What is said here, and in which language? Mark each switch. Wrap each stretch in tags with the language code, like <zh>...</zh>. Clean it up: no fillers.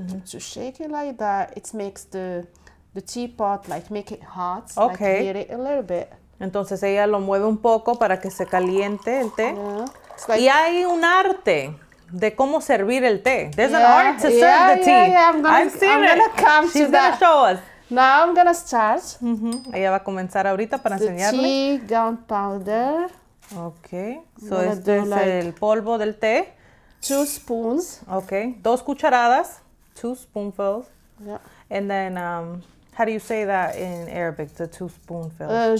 <en>To shake it like that, it makes the teapot, like make it hot. Okay. Like heat it a little bit.</en> <es>Entonces ella lo mueve un poco para que se caliente el té. Yeah. Like, y hay un arte de cómo servir el té.</es> <en>There's an art to serve the tea. I'm gonna come She's to that. She's gonna show us. Now I'm gonna start.</en> <es>Mm-hmm. Ella va a comenzar ahorita para enseñarle.</es> <en>The tea gunpowder.</en> <es>Okay, so este es like el polvo del té.</es> <en>2 spoons. Okay,</en> <es>2 cucharadas.</es> <en>2 spoonfuls. Yeah. And then, how do you say that in Arabic, the 2 spoonfuls?</en>